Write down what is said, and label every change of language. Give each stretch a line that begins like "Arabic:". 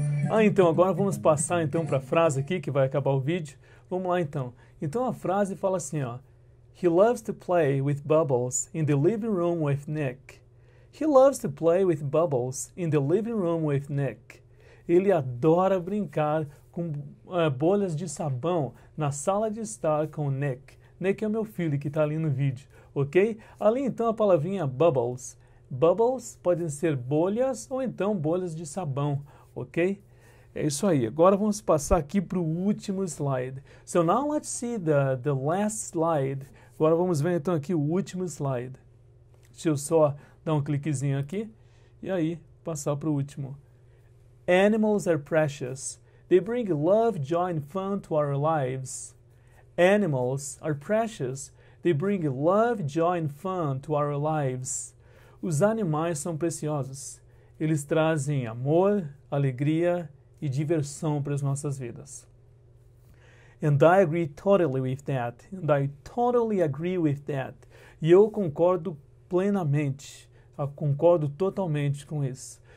Portuguese: Ah, então agora vamos passar então para a frase aqui que vai acabar o vídeo. Vamos lá então. Então a frase fala assim, ó:
English: He loves to play with bubbles in the living room with Nick. He loves to play with bubbles in the living room with Nick.
Portuguese: Ele adora brincar com bolhas de sabão na sala de estar com o Nick. Nick é o meu filho que está ali no vídeo, ok? Ali então a palavrinha bubbles. Bubbles podem ser bolhas ou então bolhas de sabão, ok? É isso aí. Agora vamos passar aqui para o último slide.
English: So now let's see the last slide.
Portuguese: Agora vamos ver então aqui o último slide. Deixa eu só dar um cliquezinho aqui e aí passar para o último.
English: Animals are precious. They bring love, joy and fun to our lives. Animals are precious. They bring love, joy and fun to our lives.
Portuguese: Os animais são preciosos. Eles trazem amor, alegria e diversão para as nossas vidas.
English: And I agree totally with that. And I totally agree with that.
Portuguese: E eu concordo plenamente. Concordo totalmente com isso.